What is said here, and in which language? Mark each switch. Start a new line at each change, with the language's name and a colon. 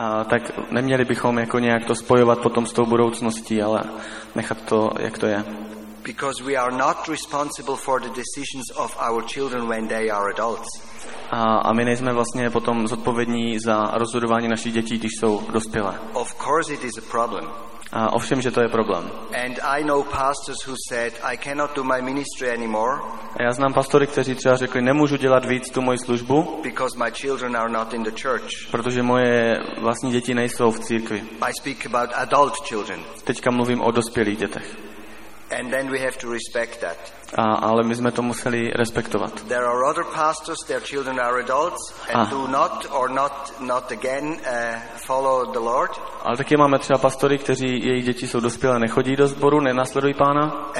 Czech: Tak neměli bychom jako nějak to spojovat potom s tou budoucností, ale nechat to, jak to je.
English: Because we are not responsible for the decisions of our children when they are adults.
Czech: A my nejsme vlastně potom zodpovědní za rozhodování našich dětí, když jsou dospělé.
English: Of course it is a problem.
Czech: A ovšem, že to je problém.
English: And I know pastors who said I cannot do my ministry anymore.
Czech: A já znám pastory, kteří třeba řekli, nemůžu dělat víc tu moji službu,
English: because my children are not in the church.
Czech: Protože moje vlastní děti nejsou v církvi.
English: I speak about adult children.
Czech: Teďka mluvím o dospělých dětech.
English: And then we have to respect that.
Czech: Ale my jsme to museli respektovat.
English: There are other pastors, their children are adults and do not or not again follow the Lord.
Czech: Ale taky máme třeba pastory, kteří jejich děti jsou dospělé, nechodí do sboru, nenásledují Pána.